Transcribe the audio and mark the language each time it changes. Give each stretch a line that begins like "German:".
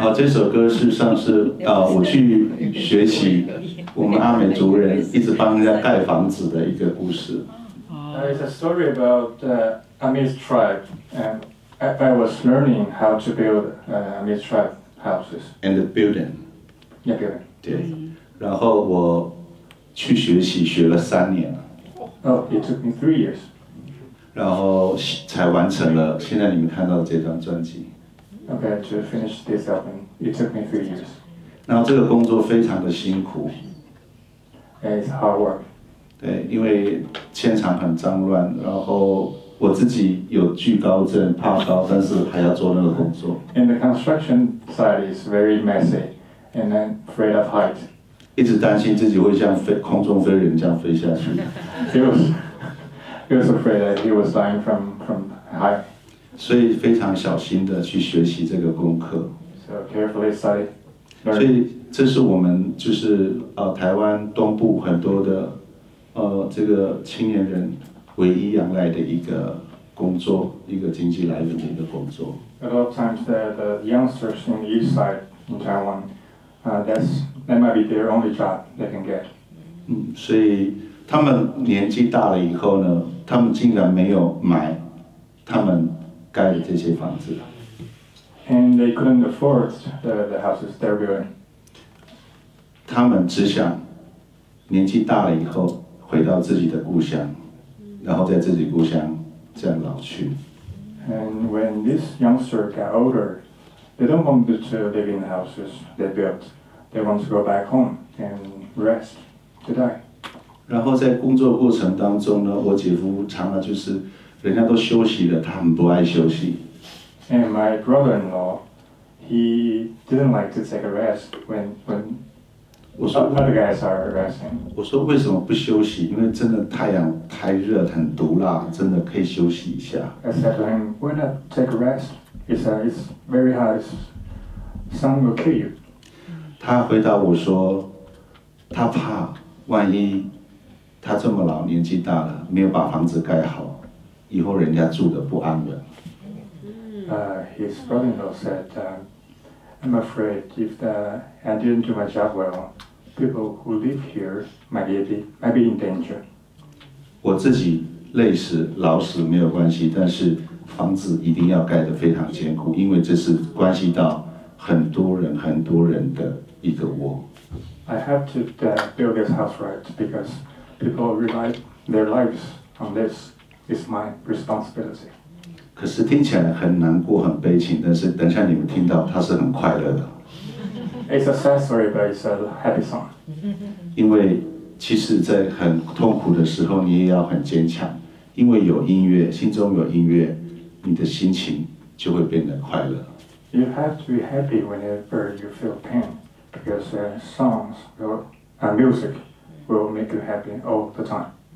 Chinese: 好，这首歌是算是我去学习我们阿美族人一直帮人家盖房子的一个故事。
English: It's a story about Amis tribe and. I was learning how to build Amis tribe houses. And the building. Yeah, building.
Chinese: 对、mm-hmm. 然后我去学习学了三年了。
English: Oh, it took me 3 years.
Chinese: 然后才完成了现在你们看到的这张专辑。
English: Okay, to finish this album, it took me 3 years.
Chinese: 然后这个工作非常的辛苦。
English: It's hard work.
Chinese: 对，因为现场很脏乱，然后我自己有惧高症，怕高，但是还要做那个工作。
English: And the construction site is very messy, and then afraid of height.
Chinese: 一直担心自己会像飞空中飞人这样飞下去。
English: He was afraid that he was dying from height.
Chinese: 所以非常小心的去学习这个功课。
English: So carefully study.
Chinese: 所以这是我们就是台湾东部很多的这个青年人。唯一仰赖的一个工作，一个经济来源的一个工作。
English: A lot of times the youngsters in the east side in Taiwan, that might be their only job they can get.
Chinese: 所以他们年纪大了以后呢，他们竟然没有买他们盖的这些房子。
English: And they couldn't afford the houses they're building.
Chinese: 他们只想年纪大了以后回到自己的故乡。然后在自己故乡这样老去。
English: And when this youngster got older, they don't want to live in the houses they built. They want to go back home and rest to die.
Chinese: 然后在工作过程当中呢，我姐夫常常就是人家都休息了，他很不爱休息。
English: And my brother-in-law, he didn't like to take a rest when other guys are resting.
Chinese: 我说为什么不休息？因为真的太阳太热，很毒辣，真的可以休息一下。
English: I said to him, "Why not take a rest?" He said, "It's very hot. Sun will kill you."
Chinese: 他回答我说，他怕万一他这么老，年纪大了，没有把房子盖好，以后人家住得不安稳。
English: His brother-in-law said, "I'm afraid if I didn't do my job well, people who live here might be in danger."
Chinese: 我自己累死老死没有关系，但是房子一定要盖得非常坚固，因为这是关系到很多人很多人的一个窝。
English: I have to build this house right because people rely their lives on this. It's my responsibility.
Chinese: 可是听起来很难过很悲情，但是等一下你们听到它是很快乐的。
English: It's a sad story, but it's a happy song.
Chinese: 因为其实在很痛苦的时候你也要很坚强，因为有音乐，心中有音乐，你的心情就会变得快乐。
English: You have to be happy whenever you feel pain, because songs and music will make you happy all the time.